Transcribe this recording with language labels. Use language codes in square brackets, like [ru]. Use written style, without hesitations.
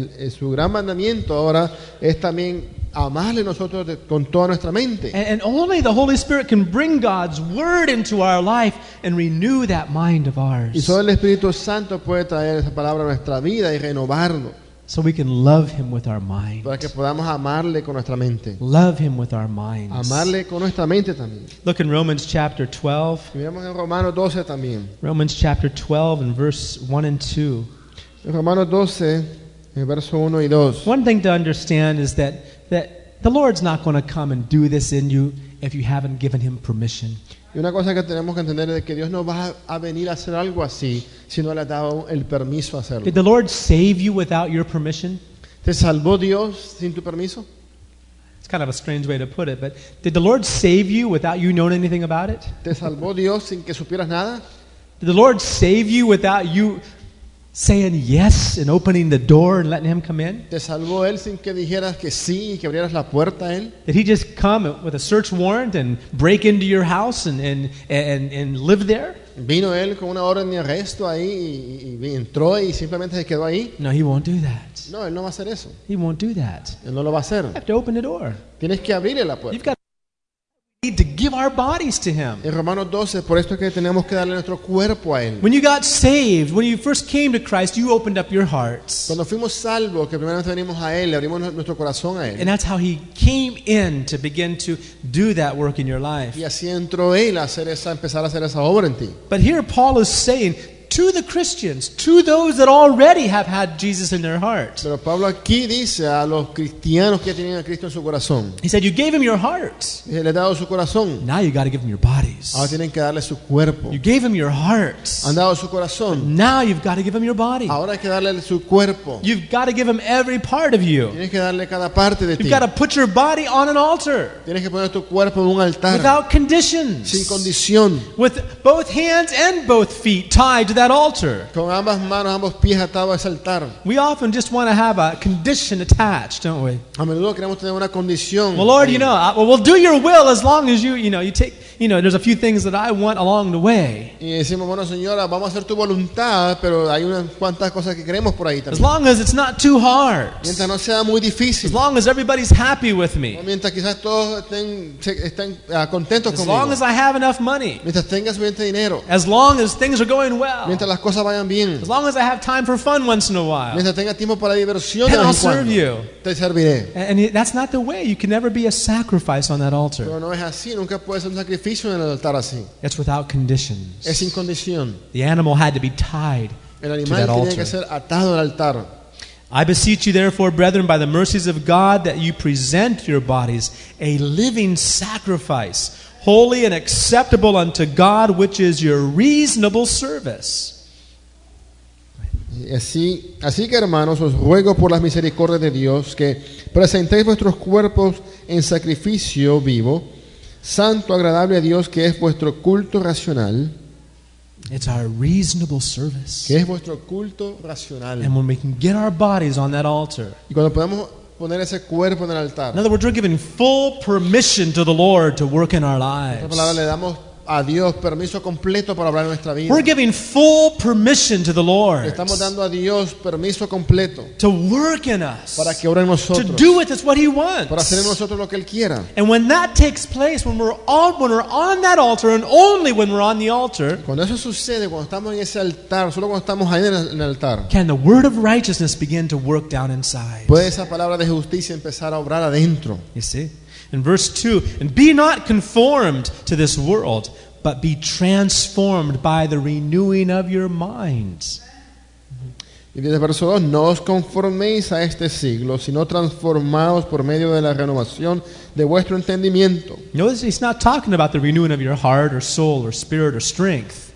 [es] Su gran mandamiento ahora es también amarle nosotros con toda nuestra mente. [en] And only the Holy Spirit can bring God's word into our life and renew that mind of ours. [es] Y solo el Espíritu Santo puede traer esa palabra a nuestra vida y renovarlo. [en] So we can love Him with our mind. [es] Para que podamos amarle con nuestra mente. [en] Love Him with our minds. [es] Amarle con nuestra mente también. [en] Look in Romans chapter 12. [es] Miramos en Romanos 12 también. [en] Romans chapter 12 and verse 1 and 2. [es] Romanos 12, verso 1 y 2. [en] One thing to understand is that the Lord's not going to come and do this in you if you haven't given Him permission. [es] Y una cosa que tenemos que entender es que Dios no va a venir a hacer algo así si no le ha dado el permiso a hacerlo. [en] Did the Lord save you without your permission? [es] ¿Te salvó Dios sin tu permiso? [en] It's kind of a strange way to put it, but did the Lord save you without you knowing anything about it? [es] ¿Te salvó Dios sin que supieras nada? [en] Did the Lord save you without you saying yes and opening the door and letting Him come in? [es] ¿Te salvó Él sin que dijeras que sí y que abrieras la puerta a Él? [en] Did He just come with a search warrant and break into your house and live there? [es] ¿Vino Él con una orden de arresto ahí y entró y simplemente se quedó ahí? [en] No, He won't do that. [es] No, Él no va a hacer eso. [en] He won't do that. [es] Él no lo va a hacer. [en] You have to open the door. [es] Tienes que abrirle la puerta. [en] You've got to give our bodies to Him. [es] En Romanos 12, por esto es que tenemos que darle nuestro cuerpo a Él. [en] When you got saved, when you first came to Christ, you opened up your hearts. [es] Cuando fuimos salvos, que primeramente venimos a Él, le abrimos nuestro corazón a Él. [en] And that's how He came in to begin to do that work in your life. [es] Y así entró Él a hacer esa, empezar a hacer esa obra en ti. [en] But here Paul is saying to the Christians, to those that already have had Jesus in their heart. [es] Pero Pablo aquí dice a los cristianos que tienen a Cristo en su corazón. [en] He said, "You gave Him your heart." [es] Le he dado su corazón. [en] Now you got to give Him your bodies. [es] Ahora tienen que darle su cuerpo. [en] You gave Him your heart. [es] Han dado su corazón. [en] But now you've got to give Him your body. [es] Ahora hay que darle su cuerpo. [en] You've got to give Him every part of you. [es] Tienes que darle cada parte de ti. [en] You've got to put your body on an altar. [es] Tienes que poner tu cuerpo en un altar. [en] Without conditions. [es] Sin condición. [en] With both hands and both feet tied to that altar. [es] Con ambas manos, ambos pies atados a ese altar. [en] We often just want to have a condition attached, don't we? [es] A menudo queremos tener una condición. [en] Well, Lord, you know, we'll do Your will as long as you take. You know, there's a few things that I want along the way. [es] Y decimos, bueno, señora, vamos a hacer tu voluntad, pero hay unas cuantas cosas que queremos por ahí también. [en] As long as it's not too hard. [es] Mientras no sea muy difícil. [en] As long as everybody's happy with me. [es] Mientras quizás todos estén contentos conmigo. [en] As long as I have enough money. [es] Mientras tengas suficiente dinero. [en] As long as things are going well. [es] Mientras las cosas vayan bien. [en] As long as I have time for fun once in a while. [es] Mientras tenga tiempo para diversión. [en] Then I'll serve you. [es] Te serviré. [en] And that's not the way. You can never be a sacrifice on that altar. [es] Pero no es así. Nunca puedes ser un sacrificio. [en] It's without conditions. [es] Es sin condición. [en] The animal had to be tied [es] el animal [en] to that [es] tenía [en] altar. [es] Que ser atado al altar. [en] I beseech you therefore, brethren, by the mercies of God, that you present your bodies a living sacrifice, holy and acceptable unto God, which is your reasonable service. [es] Así que hermanos, os ruego por las misericordias de Dios que presentéis vuestros cuerpos en sacrificio vivo, santo, agradable a Dios, que es vuestro culto racional. [en] It's our reasonable service. [es] Que es vuestro culto racional. [en] And when we can get our bodies on that altar. [es] Y cuando podemos poner ese cuerpo en el altar. [en] In other words, we're giving full permission to the Lord to work in our lives. [es] En otra palabra, le damos a Dios permiso completo para hablar en nuestra vida. [en] We're giving full permission to the Lord. [es] Estamos dando a Dios permiso completo. [en] To work in us. [es] Para que obre en nosotros. [en] To do with us what He wants. [es] Para hacer en nosotros lo que Él quiera. [en] And when that takes place, when we're on that altar, and only when we're on the altar. [es] Cuando eso sucede, cuando estamos en ese altar, solo cuando estamos ahí en el altar. [en] Can the word of righteousness begin to work down inside? [es] Puede esa palabra de justicia empezar a obrar adentro. [en] You see? In verse 2, and be not conformed to this world, but be transformed by the renewing of your minds. [es] Y desde verso 2, no os conforméis a este siglo, sino transformaos por medio de la renovación de vuestro entendimiento. [en] Notice he's not talking about the renewing of your heart or soul or spirit or strength.